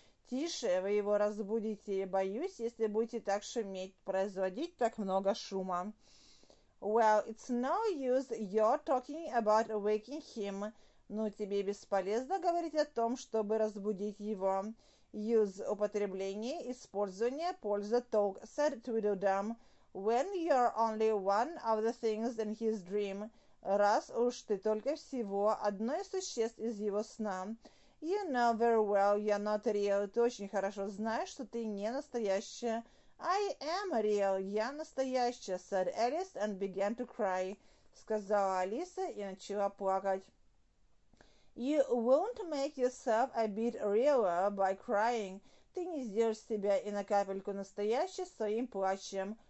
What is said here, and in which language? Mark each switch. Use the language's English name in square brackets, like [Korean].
[Russian] «Тише, вы его разбудите, боюсь, если будете так шуметь, производить так много шума». [English] «Well, it's no use your talking about waking him. [Russian] Но тебе бесполезно говорить о том, чтобы разбудить его. [English] Use – [Russian] употребление, использование, польза, [English] talk, said Tweedledum. When you're only one of the things in his dream, [Russian] раз уж ты только всего одно из существ из его сна. [English] You know very well you're not real. [Russian] Ты очень хорошо знаешь, что ты не настоящая. [English] I am real. [Russian] Я настоящая, [English] said Alice and began to cry. [Russian] Сказала Алиса и начала плакать. [English] You won't make yourself a bit realer by crying. [Russian] Ты не сделаешь себя и на капельку настоящей своим плачем.